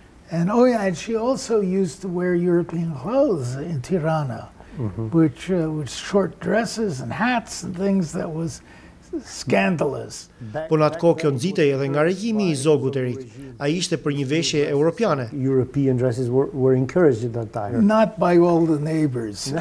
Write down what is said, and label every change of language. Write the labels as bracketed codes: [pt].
[en] And oh yeah, and she also used to wear European clothes in Tirana, which short dresses and hats and things that was scandalous. [sq] Po në atë kohë kjo nxitej edhe nga regjimi i Zogut, Erik. Ai ishte për një veshje europiane. [en] European dresses were encouraged at that time. Not by all the neighbors.